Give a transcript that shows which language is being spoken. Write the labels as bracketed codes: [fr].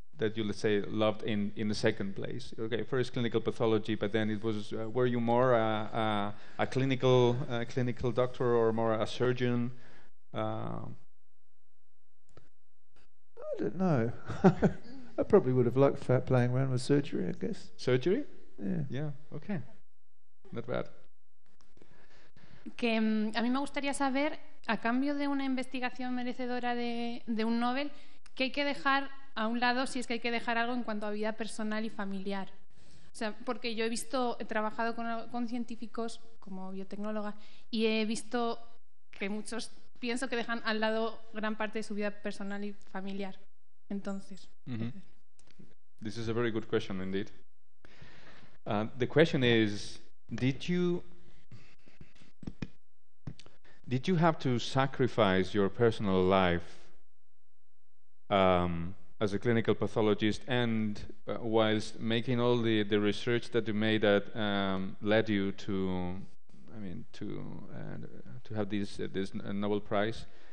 [en] that you, let's say, loved in the second place? Okay, first clinical pathology, but then it was, were you more a clinical doctor or more a surgeon? I don't know. I probably would have liked playing around with surgery, I guess. Surgery? Yeah. Yeah, okay. Not bad. [es] Que a mí me gustaría saber, a cambio de una investigación merecedora de un Nobel, ¿qué hay que dejar a un lado, si es que hay que dejar algo en cuanto a vida personal y familiar? O sea, porque yo he visto, he trabajado con científicos como biotecnóloga y he visto que muchos, pienso que dejan al lado gran parte de su vida personal y familiar. Entonces. [en] This is a very good question indeed. The question is, did you have to sacrifice your personal life as a clinical pathologist and whilst making all the research that you made that led you to, I mean, to have this Nobel Prize?